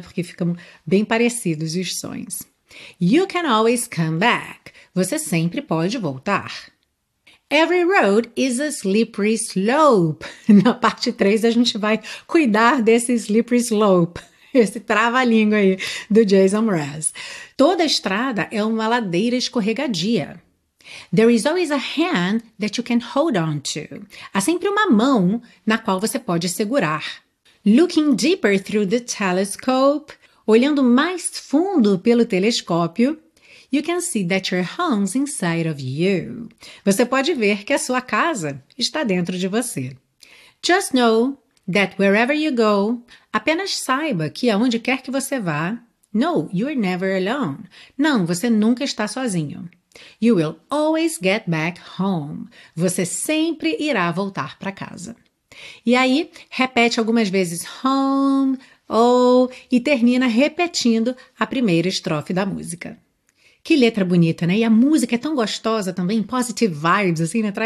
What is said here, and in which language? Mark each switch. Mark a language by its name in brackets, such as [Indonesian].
[Portuguese] Porque ficam bem parecidos os sons. [English] You can always come back. [Portuguese] Você sempre pode voltar. [English] Every road is a slippery slope. [Portuguese] Na parte 3, a gente vai cuidar desse [English] slippery slope. [Portuguese] Esse trava-língua aí do Jason Mraz. Toda estrada é uma ladeira escorregadia. [English] There is always a hand that you can hold on to. [Portuguese] Há sempre uma mão na qual você pode segurar. [English] Looking deeper through the telescope, [Portuguese] olhando mais fundo pelo telescópio, [English] you can see that your home's inside of you. [Portuguese] Você pode ver que a sua casa está dentro de você. [English] Just know that wherever you go, [Portuguese] apenas saiba que aonde quer que você vá, [English] no, you're never alone. [Portuguese] Não, você nunca está sozinho. [English] You will always get back home. [Portuguese] Você sempre irá voltar para casa. E aí, repete algumas vezes home, e termina repetindo a primeira estrofe da música. Que letra bonita, né? E a música é tão gostosa também, [English] positive vibes, [Portuguese] assim, né?